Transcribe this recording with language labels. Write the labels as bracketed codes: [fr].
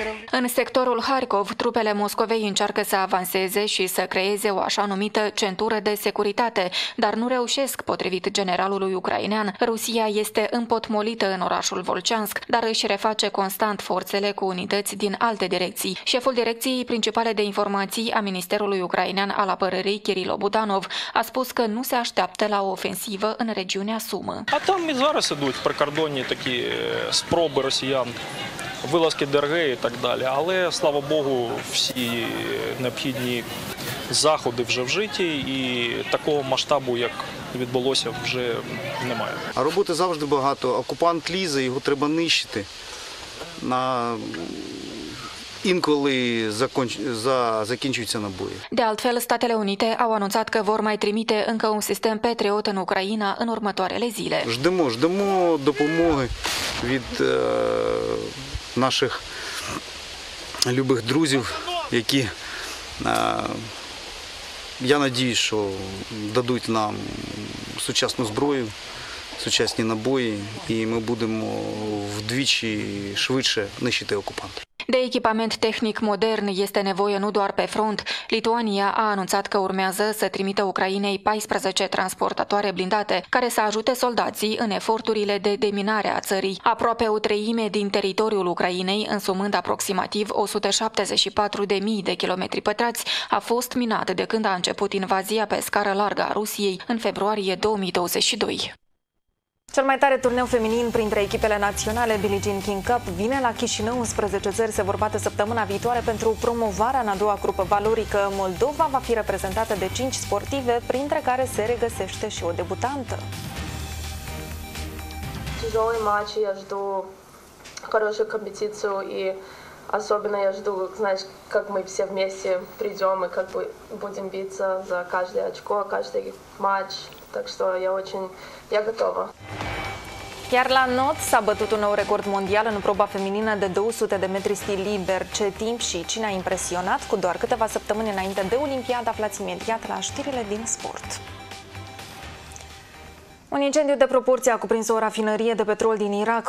[ro] În sectorul Harkov, trupele Moscovei încearcă să avanseze și să creeze o așa numită centură de securitate, dar nu reușesc, potrivit generalului ucrainean. Rusia este împotmolită în orașul Volceansk, dar își reface constant forțele cu unități din alte direcții. Șeful direcției principale de informații a Ministerului Ucrainean al Apărării, Kirilo Budanov, a spus că nu se așteaptă la o ofensivă în regiunea Sumă. [uk] Там і зараз ідуть прикордонні такі спроби росіян. Вилазки ДРГ і так далі, але, слава Богу, всі необхідні заходи вже вжиті і такого масштабу, як відбулося, вже немає. А роботи завжди багато, окупант лізе, його треба нищити. На Inculi zakinchuytsya na boye. [ro] De altfel, Statele Unite au anunțat că vor mai trimite încă un sistem Patriot în Ucraina în următoarele zile. [uk] Ждемо допомоги від наших любих друзів, які я надіюсь, що дадуть нам сучасну зброю, сучасні набої, і ми будемо вдвічі швидше нищити окупанта. [ro] De echipament tehnic modern este nevoie nu doar pe front. Lituania a anunțat că urmează să trimită Ucrainei 14 transportatoare blindate care să ajute soldații în eforturile de deminare a țării. Aproape o treime din teritoriul Ucrainei, însumând aproximativ 174.000 de kilometri pătrați, a fost minat de când a început invazia pe scară largă a Rusiei în februarie 2022. Cel mai tare turneu feminin printre echipele naționale, Billie Jean King Cup, vine la Chișinău. 11 țări se vor bate săptămâna viitoare pentru promovarea în a doua grupă valorică. Moldova va fi reprezentată de 5 sportive, printre care se regăsește și o debutantă. [ru] Тяжелый матч, я жду хорошую компетицию и особенно я жду, знаешь, как мы все вместе придем и как будем биться за каждое очко, каждый матч. Так что я очень, я готова. [ro] Iar la not s-a bătut un nou record mondial în proba feminină de 200 de metri stil liber. Ce timp și cine a impresionat? Cu doar câteva săptămâni înainte de Olimpiadă, aflați imediat la știrile din sport. Un incendiu de proporție a cuprins o rafinărie de petrol din Irak.